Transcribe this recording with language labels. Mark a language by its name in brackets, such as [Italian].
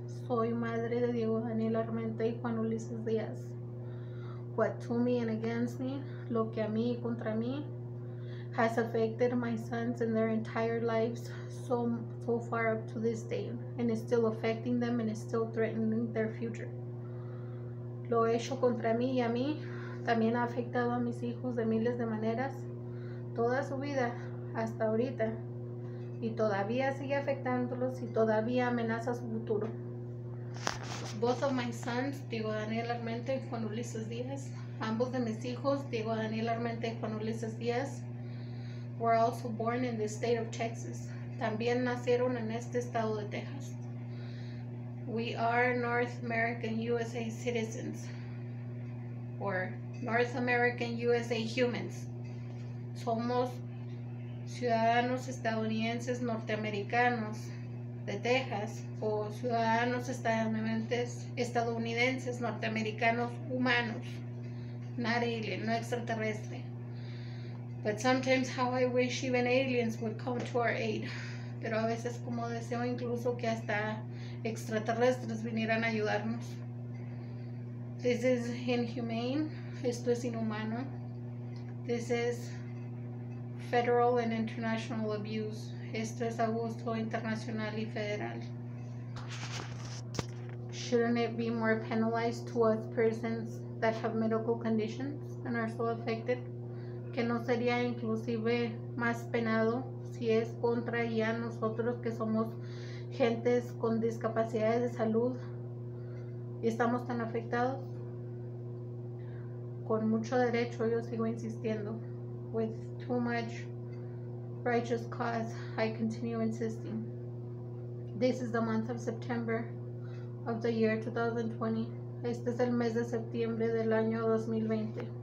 [Spanish] Soy madre de Diego Daniel Armenta y Juan Ulises Díaz. [English] What to me and against me, [Spanish] lo que a mí y contra mí, [English] has affected my sons and their entire lives so far up to this day, and is still affecting them and is still threatening their future. [Spanish] Lo hecho contra mí y a mí también ha afectado a mis hijos de miles de maneras. Toda su vida hasta ahorita y todavía sigue afectándolos y todavía amenaza su futuro. [English] Both of my sons, Diego Daniel Armenta y Juan Ulises Díaz, [Spanish] ambos de mis hijos, [English] Diego Daniel Armenta y Juan Ulises Díaz, were also born in the state of Texas. [Spanish] También nacieron en este estado de Texas. [English] We are North American USA citizens or North American USA humans. [Spanish] Somos ciudadanos estadounidenses norteamericanos de Texas o ciudadanos estadounidenses norteamericanos humanos, [English] not alien, [Spanish] no extraterrestre. [English] But sometimes how I wish even aliens would come to our aid. [Spanish] Pero a veces como deseo incluso que hasta extraterrestres vinieran a ayudarnos. [English] This is inhumane. [Spanish] Esto es inhumano. [English] This is federal and international abuse. [Spanish] Esto es abuso internacional y federal. [English] Shouldn't it be more penalized towards persons that have medical conditions and are so affected? [Spanish] Que no sería inclusive más penado si es contra ya nosotros que somos gentes con discapacidades de salud y estamos tan afectados. Con mucho derecho, yo sigo insistiendo. [English] With too much righteous cause, I continue insisting. This is the month of September of the year 2020. [Spanish] Este es el mes de septiembre del año 2020.